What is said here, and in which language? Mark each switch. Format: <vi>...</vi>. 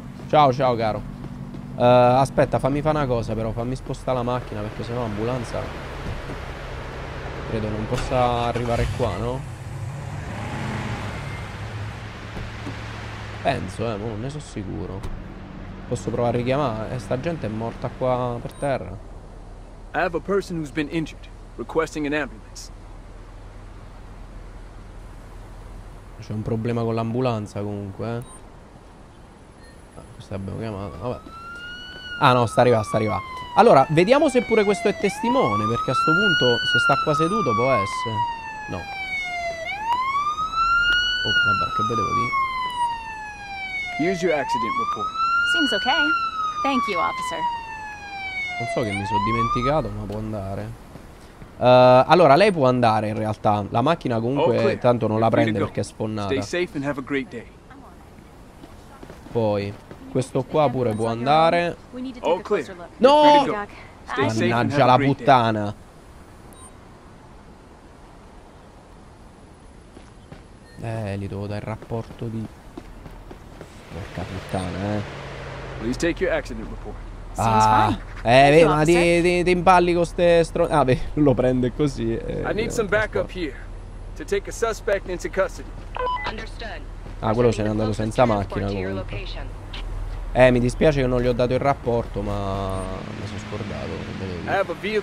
<it>Ciao ciao caro. Aspetta, fammi fare una cosa però, fammi spostare la macchina perché sennò l'ambulanza credo non possa arrivare qua, no? Penso, non ne so sicuro. Posso provare a richiamare? Sta gente è morta qua per terra.</it> <en>I have a person who's been injured, requesting an ambulance.</en> <it>C'è un problema con l'ambulanza comunque. Questa abbiamo chiamato, vabbè. Ah no, sta arrivando. Allora, vediamo se pure questo è testimone, perché a sto punto se sta qua seduto può essere. No. Oh, vabbè, che vedevo lì.</it> <en>Use your accident report. Seems okay. Thank you, officer.</en> <it>Non so che mi sono dimenticato, ma può andare. Allora, lei può andare in realtà. La macchina comunque tanto non la prende perché è sfonnata.</it> <en>Stay safe and have a great day.</en> <it>Poi questo qua pure può andare.</it> <en>All clear.</en> <it>No! Mannaggia la puttana. Gli devo dare il rapporto di. Porca puttana,</it> <en>Please take your accident report.</en> <it>Ma ti impalli con ste stronze. Ah, beh, lo prende così.</it> <en>I need some backup here. to take a suspect into custody. Understood.</en> <it>Ah, quello se n'è andato senza macchina. Mi dispiace che non gli ho dato il rapporto, ma mi sono scordato.</it>